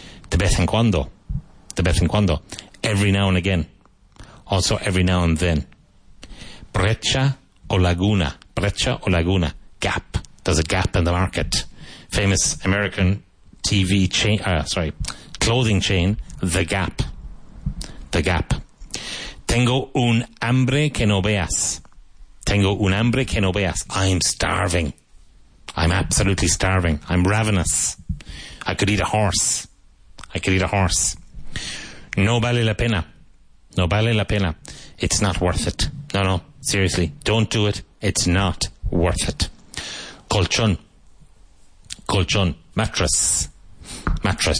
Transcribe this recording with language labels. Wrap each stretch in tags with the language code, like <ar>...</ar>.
<es>De vez en cuando. De vez en cuando.</es> <en>Every now and again. Also, every now and then.</en> <es>Brecha o laguna. Brecha o laguna. Gap.</es> <en>There's a gap in the market. Famous American TV chain, clothing chain, The Gap. The Gap.</en> <es>Tengo un hambre que no veas. Tengo un hambre que no veas.</es> <en>I'm starving. I'm absolutely starving. I'm ravenous. I could eat a horse. I could eat a horse.</en> <es>No vale la pena.</es> <en>No vale la pena. It's not worth it. No, no. Seriously. Don't do it. It's not worth it. Colchón. Colchón. Mattress. Mattress.</en>